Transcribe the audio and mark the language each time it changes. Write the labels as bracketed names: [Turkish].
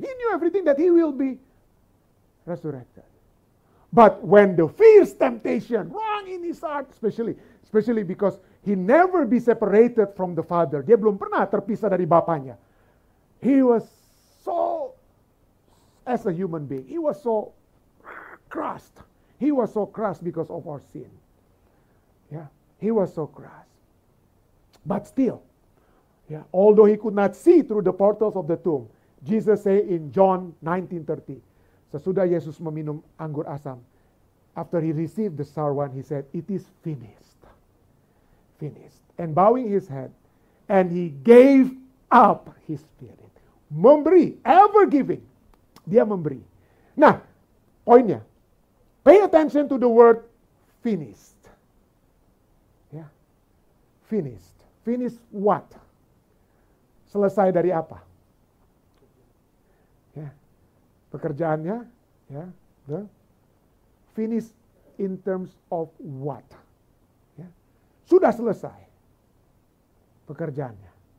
[English] He knew everything that he will be resurrected. But when the fierce temptation rung in his heart, especially because he never be separated from the Father. [Indonesian] Dia belum pernah terpisah dari Bapanya. [English] He was so, as a human being, he was so crushed. He was so crushed because of our sin. Yeah, he was so crushed. But still, yeah, although he could not see through the portals of the tomb, Jesus say in John 19:30, [Indonesian] sesudah Yesus meminum anggur asam, [English] after he received the sour wine, he said, it is finished. Finished. And bowing his head, and he gave up his spirit. [Indonesian] Memberi, [English] ever giving. [Indonesian] Dia memberi. Nah, poinnya. [English] Pay attention to the word finished. Yeah. Finished. Finished what? [Indonesian] Selesai dari apa? Yeah. Pekerjaannya. Yeah. [English] The finished in terms of what? Yeah. [Indonesian] Sudah selesai pekerjaannya.